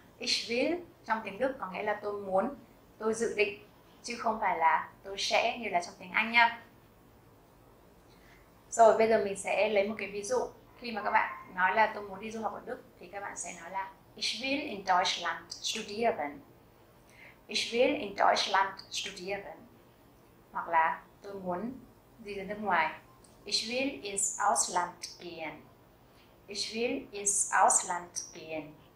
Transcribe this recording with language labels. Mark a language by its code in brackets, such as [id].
[de] Ich will [vi] trong tiếng Đức có nghĩa là tôi muốn, tôi dự định, chứ không phải là tôi sẽ như là trong tiếng Anh nhá. Rồi bây giờ mình sẽ lấy một cái ví dụ. Khi mà các bạn nói là tôi muốn đi du học ở Đức thì các bạn sẽ nói là [de] Ich will in Deutschland studieren. Ich will in Deutschland studieren. [vi] Hoặc là tôi muốn đi đến nước ngoài. [de] Ich will ins Ausland gehen. Ich will ins Ausland gehen.